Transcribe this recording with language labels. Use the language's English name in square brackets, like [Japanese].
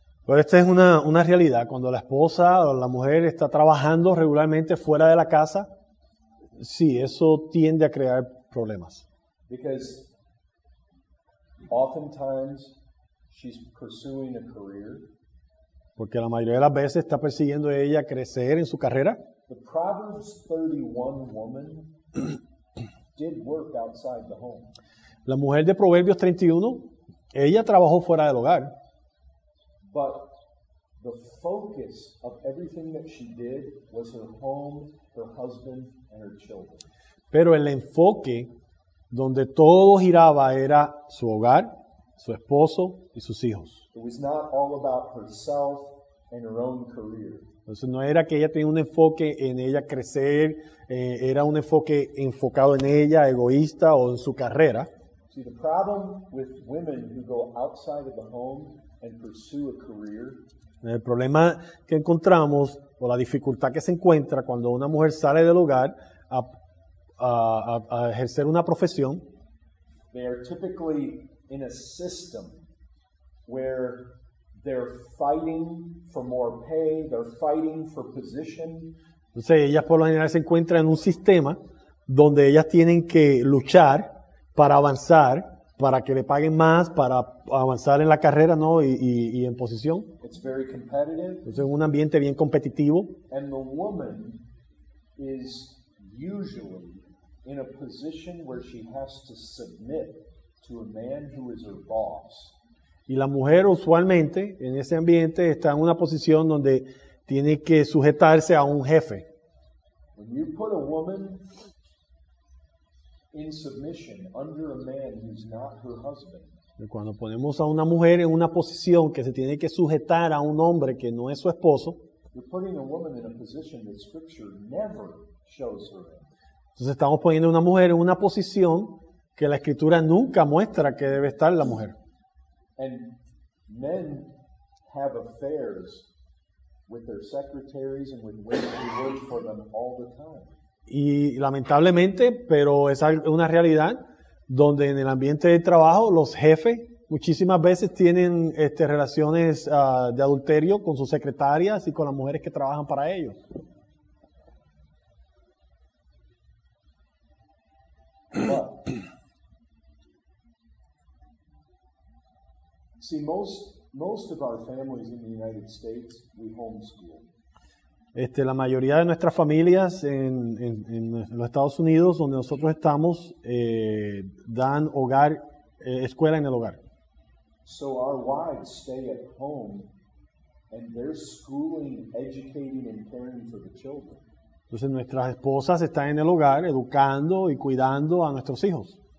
[Spanish] Pero esta es una realidad. Cuando la esposa o la mujer está trabajando regularmente fuera de la casa, sí, eso tiende a crear problemas. [English] Because oftentimes she's pursuing a career. [Spanish] Porque la mayoría de las veces está persiguiendo ella crecer en su carrera. [English] The Proverbs 31 woman did work outside the home. [Spanish] La mujer de Proverbios 31, ella trabajó fuera del hogar. [English] But the focus of everything that she did was her home, her husband, and her children. [Spanish] Pero el enfoque donde todo giraba era su hogar, su esposo y sus hijos. [English] It was not all about herself and her own career. [Spanish] Entonces no era que ella tenía un enfoque en ella crecer, era un enfoque enfocado en ella, egoísta o en su carrera. [English] See, the problem with women who go outside of the home and pursue a career. [Spanish] El problema que encontramos o la dificultad que se encuentra cuando una mujer sale del hogar a ejercer una profesión. [English] They are typically in a system where they're fighting for more pay, they're fighting for position. [Spanish] Entonces, ellas por lo general se encuentran en un sistema donde ellas tienen que luchar para avanzar, para que le paguen más, para avanzar en la carrera, ¿no? Y en posición. [English] It's very competitive. [Spanish] Entonces, es un ambiente bien competitivo. [English] And the woman is usually in a position where she has to submit to a man who is her boss. [Spanish] Y la mujer usualmente en ese ambiente está en una posición donde tiene que sujetarse a un jefe. [English] When you put a woman in submission under a man who's not her husband. [Spanish] Cuando ponemos a una mujer en una posición que se tiene que sujetar a un hombre que no es su esposo, [English] you're putting a woman in a position that scripture never shows her. [Spanish] Entonces estamos poniendo a una mujer en una posición que la Escritura nunca muestra que debe estar la mujer. [English] And men have affairs with their secretaries and with women who work for them all the time. [Spanish] Y lamentablemente, pero es una realidad donde en el ambiente de trabajo los jefes muchísimas veces tienen relaciones de adulterio con sus secretarias y con las mujeres que trabajan para ellos. [English] See, most of our families in the United States, we homeschool. [Spanish] La mayoría de nuestras familias en los Estados Unidos, donde nosotros estamos, dan hogar, escuela en el hogar. [English] So our wives stay at home, and they're schooling, educating, and caring for the children. [Spanish] Entonces nuestras esposas están en el hogar, educando y cuidando a nuestros hijos.